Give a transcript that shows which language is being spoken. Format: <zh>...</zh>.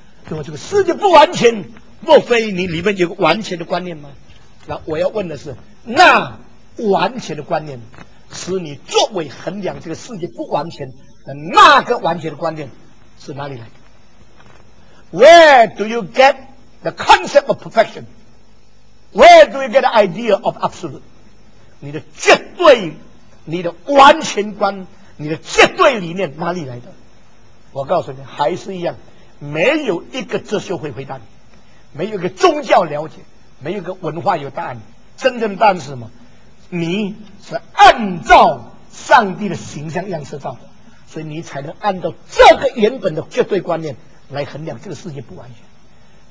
<zh>因为这个世界不完全，莫非你里面有个完全的观念吗？那我要问的是，那完全的观念使你作为衡量这个世界不完全的那个完全的观念是哪里来的？</zh> <en>Where do you get the concept of perfection? Where do you get the idea of absolute?</en> <zh>你的绝对，你的完全观，你的绝对理念哪里来的？我告诉你，还是一样，没有一个哲学会回答你，没有一个宗教了解，没有一个文化有答案。真正的答案是什么？你是按照上帝的形象样式造的，所以你才能按照这个原本的绝对观念来衡量这个世界不完全。</zh>